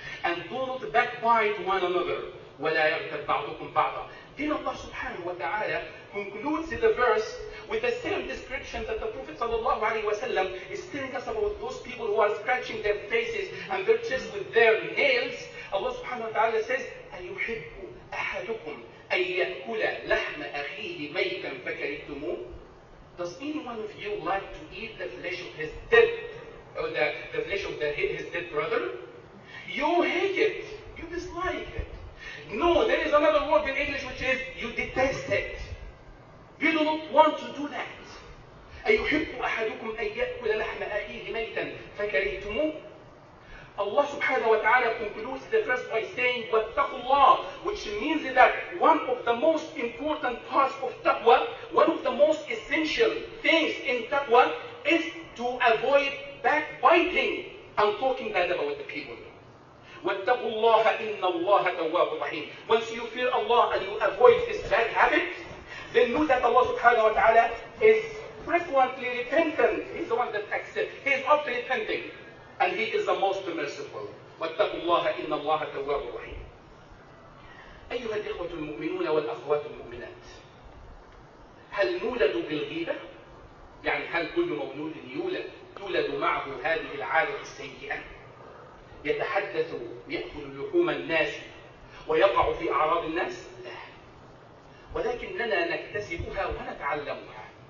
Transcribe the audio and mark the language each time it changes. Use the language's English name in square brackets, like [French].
[English] And don't backbite one another. [Arabic] وَلَا يَغْتَبْ بَعْضُكُمْ بَعْضًا. [English] Then Allah subhanahu wa ta'ala concludes the verse with the same description that the Prophet sallallahu alayhi wa sallam is telling us about those people who are scratching their faces and their chest with their nails. Allah subhanahu wa ta'ala says, [Arabic] أَيُحِبُّ أَحَدُكُمْ أَن يَأْكُلَ لَحْمَ أَخِيهِ مَيْتًا فَكَرِهْتُمُوهُ. [English] Does anyone of you like to eat the flesh of his dead, or the flesh of his dead brother? You hate it. You dislike it. No, there is another word in English which is you detest it. You do not want to do that. [Arabic] أَيُحِبُّ أَحَدُكُمْ أَن يَأْكُلَ لَحْمَ أَخِيهِ مَيْتًا فَكَرِهْتُمُوهُ. [English] Allah subhanahu wa ta'ala concludes the verse by saying, [Arabic] وَاتَّقُوا اللَّهُ, [English] which means that one of the most important parts of taqwa, one of the most essential things in taqwa, is to avoid backbiting and talking bad about the people. [Arabic] وَاتَّقُوا اللَّهَ إِنَّ اللَّهَ تَوَّابٌ رَحِيمٌ. [English] Once you fear Allah and you avoid this bad habit, then know that Allah subhanahu wa ta'ala is frequently repentant. He's the one that accepts. He's often repenting. And he is the most merciful. [Arabic] وَاتَّقُوا اللَّهَ إِنَّ اللَّهَ تَوَّابٌ رَحِيمٌ. أيها الإخوة المؤمنون والأخوات المؤمنات, هل نولد بالغيبة؟ يعني هل كل مولود يولد معه هذه العادة السيئة؟ يتحدث ويأكل لحوم الناس ويقع في أعراض الناس؟ لا, ولكننا نكتسبها ونتعلمها.